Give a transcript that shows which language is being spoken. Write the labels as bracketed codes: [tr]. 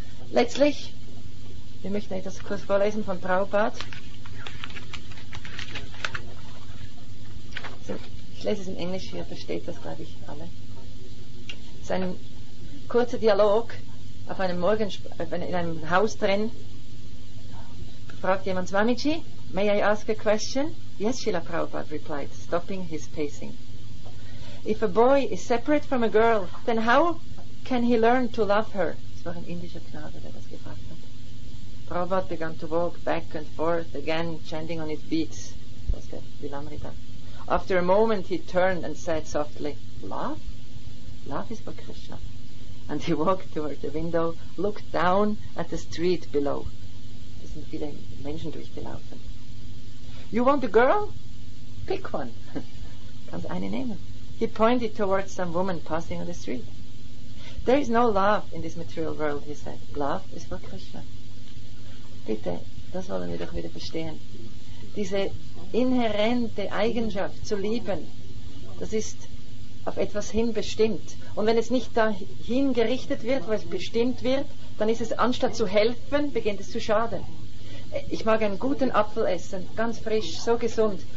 [de] Letztlich, wir möchten etwas kurz vorlesen von Prabhupada. Ich lese es in Englisch, ihr versteht das, glaube ich, alle. Es ist ein kurzer Dialog auf einem Morgen, in einem Haus drin. Fragt jemand, [en] Swamiji, may I ask a question? Yes, Srila Prabhupada replied, stopping his pacing. If a boy is separate from a girl, then how can he learn to love her? [de] Es war ein indischer Knabe, der das gefragt hat. [en] Prabhupada began to walk back and forth, again chanting on his beats. [de] Das ist der Vilamrita. [en] After a moment he turned and said softly, love? Love is for Krishna. And he walked toward the window, looked down at the street below. [de] Da sind viele Menschen durchgelaufen. [en] You want a girl? Pick one. [de] Kannst eine nehmen. [en] He pointed towards some woman passing on the street. There is no love in this material world, he said. Love is for Krishna. [de] Bitte, das wollen wir doch wieder verstehen. Diese inhärente Eigenschaft zu lieben, das ist auf etwas hin bestimmt. Und wenn es nicht dahin gerichtet wird, wo es bestimmt wird, dann ist es, anstatt zu helfen, beginnt es zu schaden. Ich mag einen guten Apfel essen, ganz frisch, so gesund.